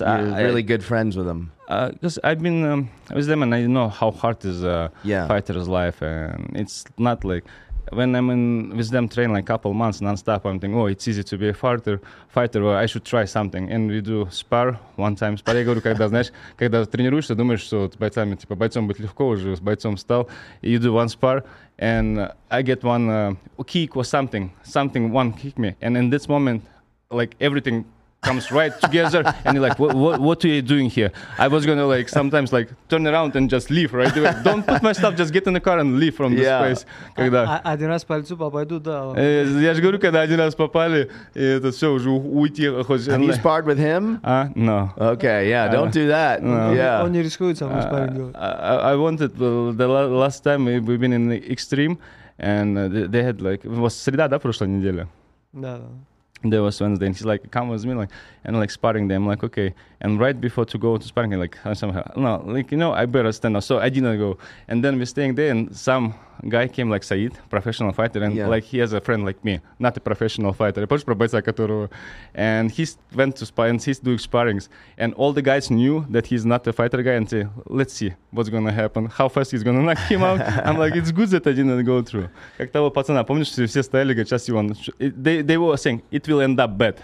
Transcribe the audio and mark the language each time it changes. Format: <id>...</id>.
<en>you're really good friends with them. Because I've been with them, and I know how hard is fighter's life, and it's not like when I'm in with them train like a couple months nonstop. I'm thinking, oh, it's easy to be a fighter. Well, I should try something, and we do spar one time. Spar. I</en> <ru>говорю, когда знаешь, когда тренируешься, думаешь, что с бойцами типа бойцом быть легко уже с бойцом стал.</ru> <en>You do one spar, and I get one kick or something. One kick me, and in this moment, like everything comes right together, and you're like, what are you doing here? I was gonna like sometimes like turn around and just leave, right? Don't put my stuff, just get in the car and leave from this place.</en> <ru>Когда один раз пальцу попаду, да. Я же говорю, когда один раз попали, и это все уже уйти.</ru> <en>Have you sparred with him? No. Okay, yeah, don't do that. No. Yeah.</en> <ru>Он не рискует сам спарринг.</ru> <en>I wanted the last time we've been in the extreme, and they had like it was</en> <ru>среда, да, прошлой неделе. Да.</ru> <en>There was Wednesday, and he's like, come with me, like, and like sparring them, like, okay. And right before to go to sparring, like, somehow, no, like, you know, I better stand up. So I didn't go. And then we're staying there, and some guy came, like, Said, professional fighter, and like, he has a friend like me, not a professional fighter.</en> <ru>Я помню про бойца, которого.</ru> <en>And he went to spar, and he's doing sparrings. And all the guys knew that he's not a fighter guy, and say, let's see what's going to happen, how fast he's going to knock him out. I'm like, it's good that I didn't go through.</en> <ru>Как того пацана, помнишь, что все стояли, говорят, сейчас его...</ru> <en>They were saying, it will end up bad.</en>